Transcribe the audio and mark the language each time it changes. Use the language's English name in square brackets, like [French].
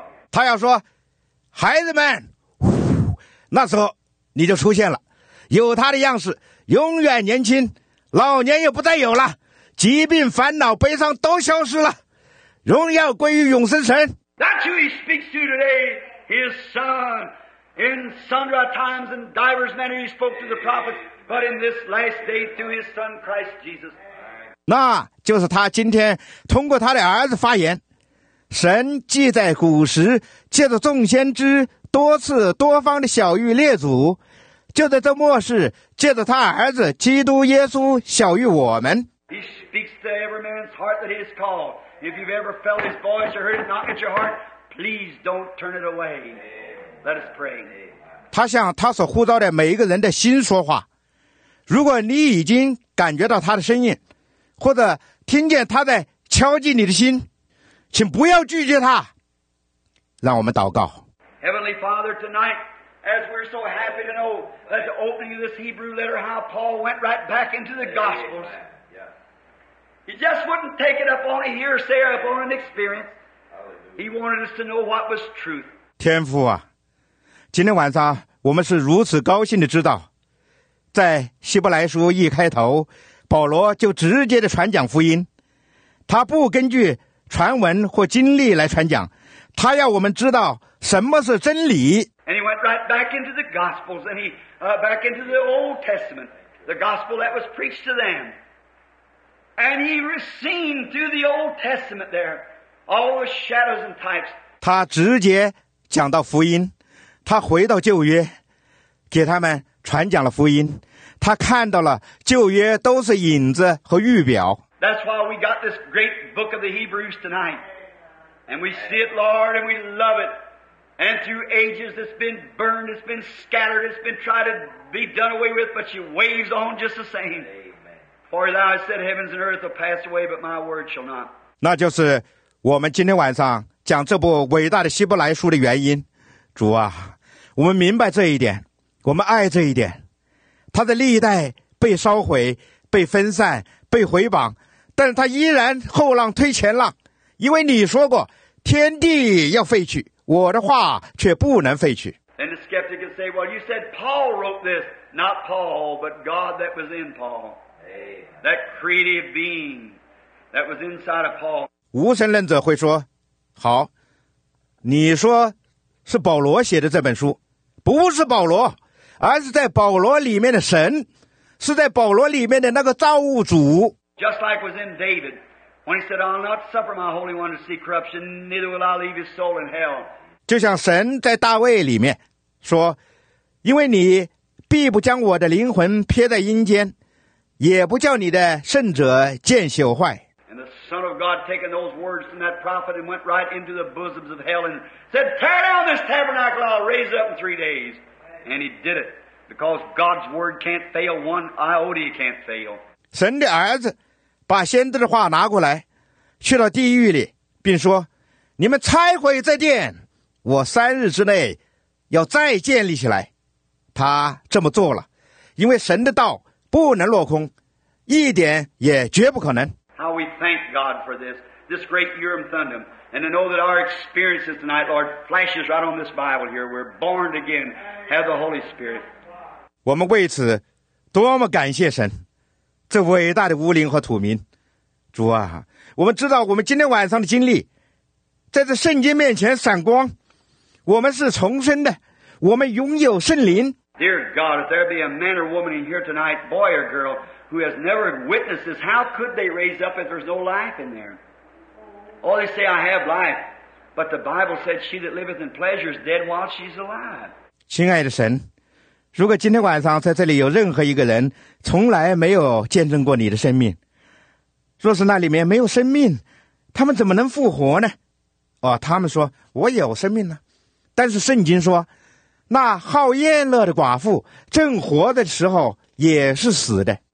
[Chinese] 他要说，孩子们，那时候你就出现了，有他的样式，永远年轻。老年也不再有了，疾病、烦恼、悲伤都消失了，荣耀归于永生神。 [English] That's who he speaks to today, his son. In sundry times and divers manner he spoke to the prophets, but in this last day through his son Christ Jesus. [Chinese] 那就是他今天通过他的儿子发言。神既在古时借着众先知多次多方的晓谕列祖，就在这末世借着他儿子基督耶稣晓谕我们。 [English] He speaks to every man's heart that he is called. If you've ever felt his voice or heard it knock at your heart, please don't turn it away. Let us pray. [Chinese] 他向他所呼召的每一个人的心说话。如果你已经感觉到他的声音，或者听见他在敲击你的心，请不要拒绝他。让我们祷告。 [English] Heavenly Father, tonight,As we're so happy to know that the opening of this Hebrew letter, how Paul went right back into the Gospels. He just wouldn't take it up on a hearsay or up on an experience. He wanted us to know what was truth. [Chinese] 天父啊，今天晚上我们是如此高兴地知道，在希伯来书一开头，保罗就直接地传讲福音。他不根据传闻或经历来传讲，他要我们知道什么是真理。 [English] And he went right back into the Gospels, and back into the Old Testament, the Gospel that was preached to them. And he seen through the Old Testament there, all the shadows and types. [Chinese] 他直接讲到福音，他回到旧约，给他们传讲了福音，他看到了旧约都是影子和预表。 [English] That's why we got this great book of the Hebrews tonight. And we see it, Lord, and we love it. And through ages it's been burned, it's been scattered, it's been tried to be done away with, but she waves on just the same. Amen. For thou hast said, heavens and earth will pass away, but my word shall not. [Chinese] 那就是我们今天晚上讲这部伟大的希伯来书的原因。主啊，我们明白这一点，我们爱这一点。他的历代被烧毁、被分散、被毁谤，但是他依然后浪推前浪，因为你说过，天地要废去。我的话却不能废去。 [English] And the skeptic can say, well, you said Paul wrote this, not Paul, but God that was in Paul. That creative being that was inside of Paul. [Chinese] 无神论者会说，好，你说是保罗写的这本书，不是保罗，而是在保罗里面的神，是在保罗里面的那个造物主。 [English] Just like was in David. When he said, I'll not suffer my Holy One to see corruption, neither will I leave his soul in hell. [Chinese] 就像神在大卫里面说，因为你必不将我的灵魂撇在阴间，也不叫你的圣者见朽坏。 [English] And the Son of God taking those words from that prophet and went right into the bosoms of hell and said, tear down this tabernacle, I'll raise it up in 3 days. And he did it, because God's word can't fail, one iota can't fail. [Chinese] 神的儿子把先知的话拿过来，去到地狱里，并说：“你们拆毁这殿，我三日之内要再建立起来。” 他这么做了，因为神的道不能落空，一点也绝不可能。 [English] How we thank God for this great Urim Thummim, and to know that our experiences tonight, Lord, flashes right on this Bible here. We're born again, have the Holy Spirit. [Chinese] 我们为此多么感谢神。这伟大的乌灵和土民，主啊，我们知道我们今天晚上的经历在这圣洁面前闪光，我们是重生的，我们拥有圣灵。 [English] Dear God, if there be a man or woman in here tonight, boy or girl, who has never witnessed this, how could they raise up if there's no life in there? All they say, I have life. But the Bible said, she that liveth in pleasure is dead while she's alive. [Chinese] 亲爱的神，如果今天晚上在这里有任何一个人从来没有见证过你的生命，若是那里面没有生命，他们怎么能复活呢？哦，他们说，我有生命呢。但是圣经说，那好宴乐的寡妇正活的时候也是死的。